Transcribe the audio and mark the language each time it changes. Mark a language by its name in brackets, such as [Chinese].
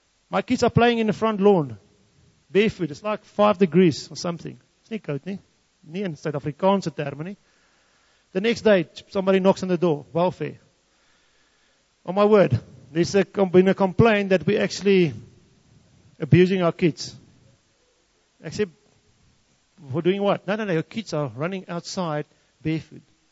[English] My kids are playing in the front lawn, barefoot. It's like 5 degrees or something. It's [Afrikaans] nie koud nie. Nie in Suid-Afrikaanse term nie. [English] The next day, somebody knocks on the door. Welfare. Oh my word, there's been a complaint that we're actually abusing our kids. Except, we're doing what? No, your kids are running outside barefoot.